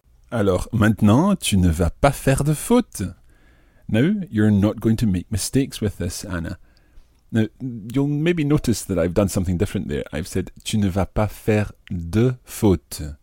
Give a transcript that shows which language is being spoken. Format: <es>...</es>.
<fr>Alors, maintenant, tu ne vas pas faire de faute.</fr> <en>Now, you're not going to make mistakes with this, Anna. Now, you'll maybe notice that I've done something different there. I've said, tu ne vas pas faire de faute.</en>